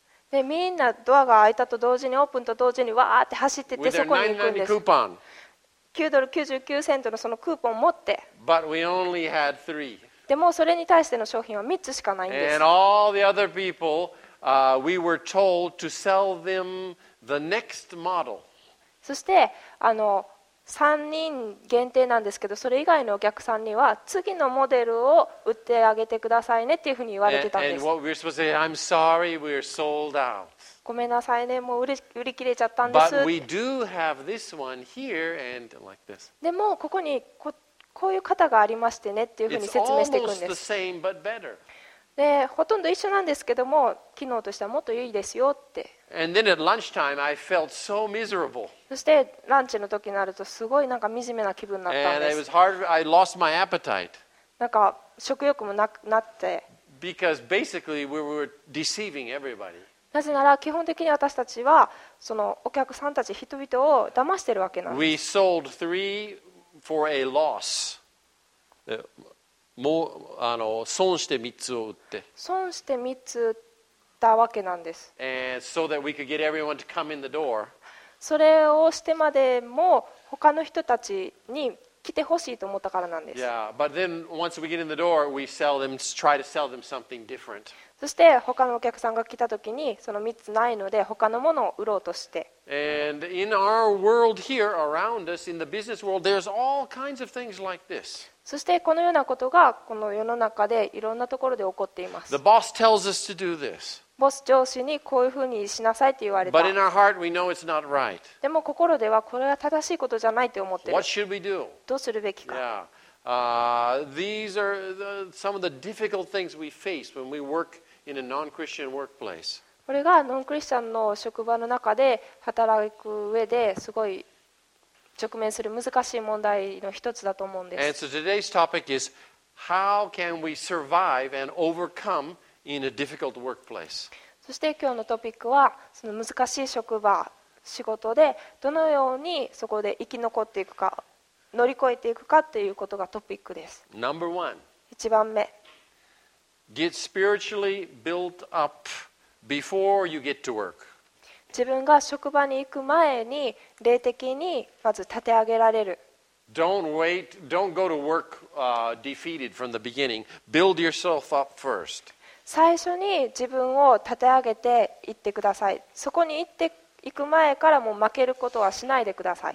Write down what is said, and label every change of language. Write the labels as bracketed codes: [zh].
[ja] で、みんなドアが開いたと同時に、オープンと同時にわーって走ってってそこに行くんです。 [en] With their 99 [ja] coupon. 9ドル99セントのそのクーポンを持って。 [en] But we only had three. [ja] でもそれに対しての商品は3つしかないんです。 [en] And all the other people, we were told to sell them. The next model. [ja] そして3人限定なんですけど、それ以外のお客さんには次のモデルを売ってあげてくださいねっていうふうに言われてたんです。 [en] And what we're supposed to say, I'm sorry, we're sold out. [ja] ごめんなさいね、もう売り切れちゃったんです。 [en] But we do have this one here and like this. [ja] でもここにこういう型がありましてねっていうふうに説明していくんです。 [en] It's almost the same but better. [ja] でほとんど一緒なんですけども、機能としてはもっといいですよって。 [en] And then at lunchtime, I felt so miserable. [ja] そしてランチの時になるとすごいなんか惨めな気分になったんです。 [en] And it was hard, I lost my appetite. [ja] なんか食欲もなって。 [en] Because basically we were deceiving everybody. [ja] なぜなら基本的に私たちはそのお客さんたち人々を騙してるわけなんです。 [en] We sold three for a loss. [ja] もう損して3つを売って損して3つ売ったわけなんです。 [en] So that we could get everyone to come in the door. [ja] それをしてまでも他の人たちに来てほしいと思ったからなんです。 [en] Yeah, but then once we get in the door, we sell them, try to sell them something different. [ja] そして他のお客さんが来た時にその3つないので他のものを売ろうとして。 [en] And in our world here around us, in the business world, there's all kinds of things like this. [ja] そしてこのようなことがこの世の中でいろんなところで起こっています。 [en] The boss tells us to do this. [ja] ボス上司にこういうふうにしなさいって言われた。 [en] But in our heart we know it's not right. [ja] でも心ではこれは正しいことじゃないって思ってる。 [en] What should we do? [ja] どうするべきか。 [en] Yeah. These are the, some of the difficult things we face when we work in a non-Christian workplace. [ja] これがノンクリスチャンの職場の中で働く上ですごい直面する難しい問題の一つだと思うんです。 [en] And so today's topic is how can we survive and overcome in a difficult workplace? [ja] そして今日のトピックはその難しい職場、仕事でどのようにそこで生き残っていくか、乗り越えていくかということがトピックです。 [en] Number one. [ja] 一番目。 [en] Get spiritually built up before you get to work. [ja] 自分が職場に行く前に霊的にまず立て上げられる。 [en] Don't wait, don't go to work, defeated from the beginning. Build yourself up first. [ja] 最初に自分を立て上げて行ってください。そこに行って行く前からも負けることはしないでください。